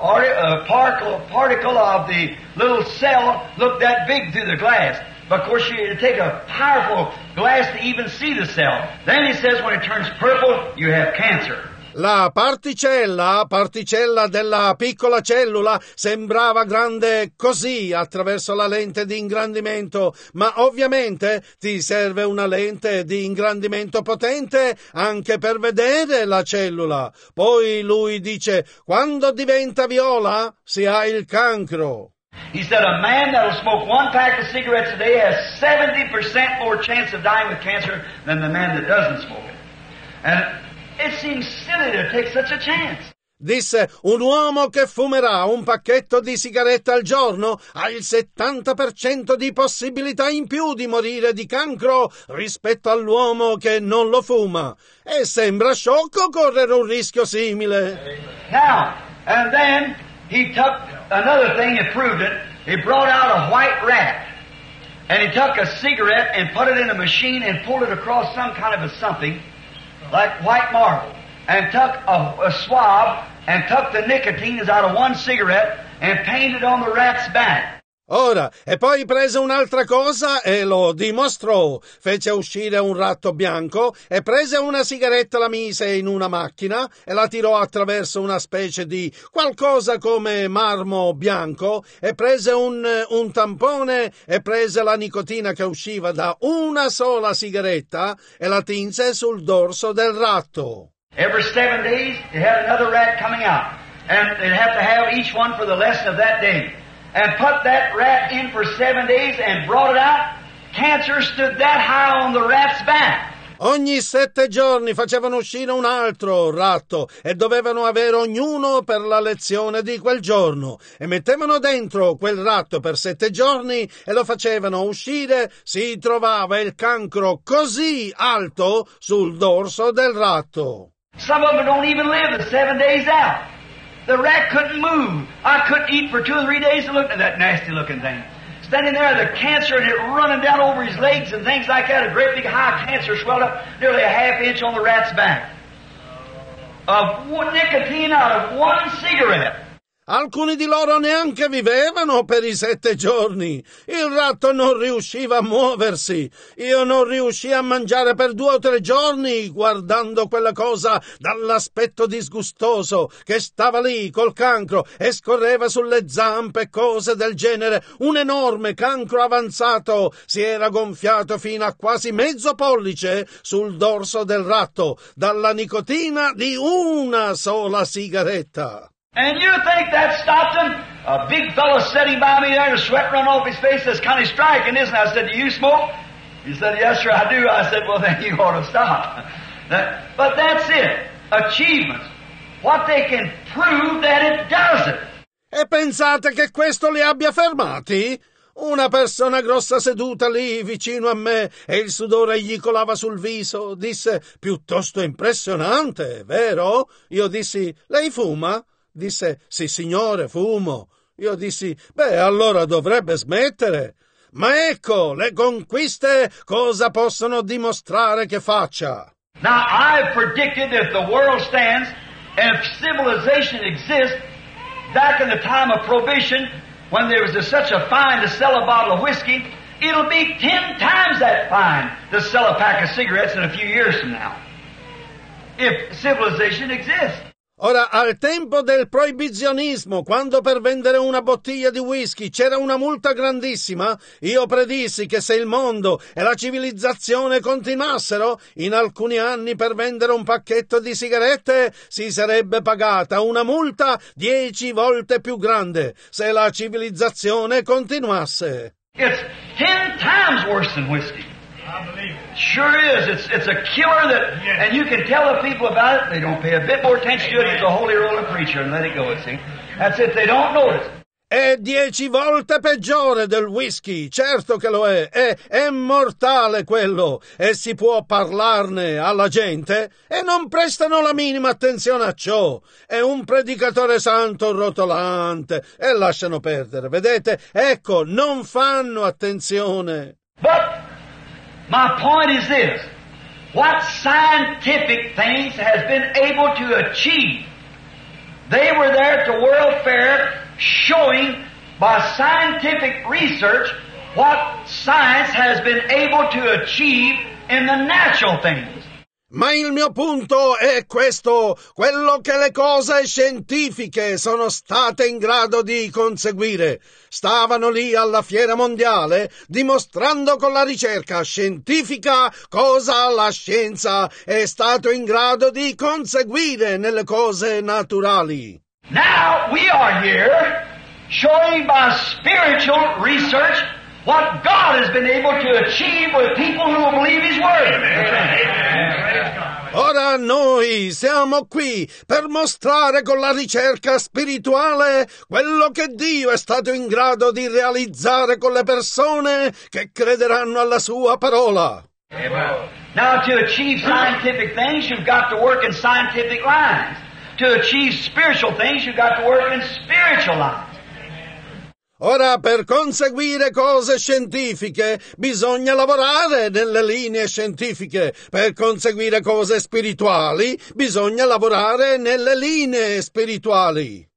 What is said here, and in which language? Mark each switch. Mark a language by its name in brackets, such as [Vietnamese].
[English] A particle of the little cell looked that big through the glass, but of course you take a powerful glass to even see the cell. Then he says when it turns purple, you have cancer. [Italian] La particella della piccola cellula, sembrava grande così attraverso la lente di ingrandimento, ma ovviamente ti serve una lente di ingrandimento potente anche per vedere la cellula. Poi lui dice, quando diventa viola si ha il cancro. [English] He said a man that will smoke one pack of cigarettes a day has 70% more chance of dying with cancer than the man that doesn't smoke it. It seems silly to take such a chance. [Italian] Disse, un uomo che fumerà un pacchetto di sigarette al giorno ha il 70% di possibilità in più di morire di cancro rispetto all'uomo che non lo fuma. E sembra sciocco correre un rischio simile. [English] Now, and then he took another thing and proved it. He brought out a white rat. And he took a cigarette and put it in a machine and pulled it across some kind of a something. Like white marble, and took a swab and took the nicotine out of one cigarette and painted on the rat's back. [Italian] Ora, e poi prese un'altra cosa e lo dimostrò. Fece uscire un ratto bianco e prese una sigaretta, la mise in una macchina e la tirò attraverso una specie di qualcosa come marmo bianco e prese un tampone e prese la nicotina che usciva da una sola sigaretta e la tinse sul dorso del ratto. [English] Every 7 days it had another rat coming out and it had to have each one for the lesson of that day. And put that rat in for 7 days and brought it out. Cancer stood that high on the rat's back. [Italian] Ogni 7 giorni facevano uscire un altro ratto e dovevano avere ognuno per la lezione di quel giorno. E mettevano dentro quel ratto per 7 giorni e lo facevano uscire. Si trovava il cancro così alto sul dorso del ratto. [English] Some of them don't even live the 7 days out. The rat couldn't move. I couldn't eat for 2 or 3 days and look at that nasty looking thing. Standing there, the cancer and it running down over his legs and things like that, a great big high cancer swelled up nearly a half inch on the rat's back. Of nicotine out of one cigarette. [Italian] Alcuni di loro neanche vivevano per i 7 giorni. Il ratto non riusciva a muoversi. Io non riuscii a mangiare per 2 o 3 giorni guardando quella cosa dall'aspetto disgustoso che stava lì col cancro e scorreva sulle zampe e cose del genere. Un enorme cancro avanzato si era gonfiato fino a quasi 5 pollici sul dorso del ratto dalla nicotina di una sola sigaretta. [English] And you think that stopped him? A big fellow sitting by me there, the sweat running off his face, says, "Connie, striking, isn't it?" I said, "Do you smoke?" He said, "Yes, sir, I do." I said, "Well, then you ought to stop." But that's it. Achievements. What they can prove that it does it. [Italian] E pensate che questo li abbia fermati? Una persona grossa seduta lì vicino a me e il sudore gli colava sul viso disse, "Piuttosto impressionante, vero?" Io dissi, "Lei fuma?" Disse, "Sì, signore, fumo." Io dissi, "Beh, allora dovrebbe smettere." Ma ecco, le conquiste cosa possono dimostrare che faccia? [English] Now, I've predicted if the world stands and if civilization exists, back in the time of prohibition, when there was such a fine to sell a bottle of whiskey, it'll be 10 times that fine to sell a pack of cigarettes in a few years from now. If civilization exists. [Italian] Ora, al tempo del proibizionismo, quando per vendere una bottiglia di whisky c'era una multa grandissima, io predissi che se il mondo e la civilizzazione continuassero, in alcuni anni per vendere un pacchetto di sigarette si sarebbe pagata una multa 10 volte più grande se la civilizzazione continuasse. [English] It's 10 times worse than whiskey. Sure is. It's a killer that, yes. And you can tell the people about it. They don't pay a bit more attention to it. It's a holy rolling preacher and let it go. See, that's it. They don't notice. [Italian] È 10 volte peggiore del whisky, certo che lo è. È mortale quello. E si può parlarne alla gente e non prestano la minima attenzione a ciò. È un predicatore santo rotolante e lasciano perdere. Vedete? Ecco, non fanno attenzione. [English] But my point is this, what scientific things has been able to achieve? They were there at the World Fair showing by scientific research what science has been able to achieve in the natural things. [Italian] Ma il mio punto è questo, quello che le cose scientifiche sono state in grado di conseguire. Stavano lì alla fiera mondiale, dimostrando con la ricerca scientifica cosa la scienza è stato in grado di conseguire nelle cose naturali. [English] Now we are here showing by spiritual research what God has been able to achieve with people who believe His word. [Italian] Ora noi siamo qui per mostrare con la ricerca spirituale quello che Dio è stato in grado di realizzare con le persone che crederanno alla Sua parola. [English] Now to achieve scientific things, you've got to work in scientific lines. To achieve spiritual things, you've got to work in spiritual lines. [Italian] Ora, per conseguire cose scientifiche, bisogna lavorare nelle linee scientifiche. Per conseguire cose spirituali, bisogna lavorare nelle linee spirituali.